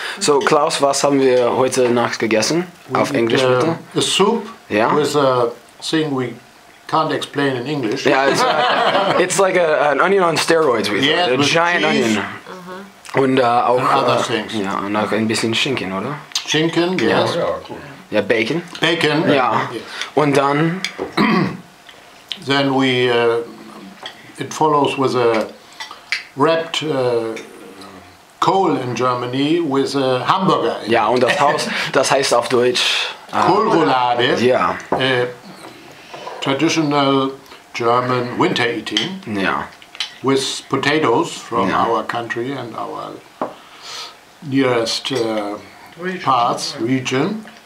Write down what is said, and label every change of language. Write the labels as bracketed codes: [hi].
[de] So, Klaus, was haben wir heute Nacht gegessen? Auf Englisch, bitte. [en] The soup yeah. with a thing we can't explain in English. Yeah, it's like an onion on steroids, we thought. Yeah, a giant cheese. Onion. Uh-huh. [de] Und auch, [en] and other things. [de] Ja, und auch ein bisschen Schinken, oder? Schinken, yes. Ja, [en] cool. [de] Ja, Bacon. [en] Bacon. [de] Ja. Yeah. Und dann? [en] Then we... it follows with a wrapped Kohl in Germany with a hamburger. [de] Ja, und das Haus, das heißt auf Deutsch Kohlroulade. Ja. [en] Traditional German winter eating. [de] Ja. [en] With potatoes from ja. Our country and our nearest region.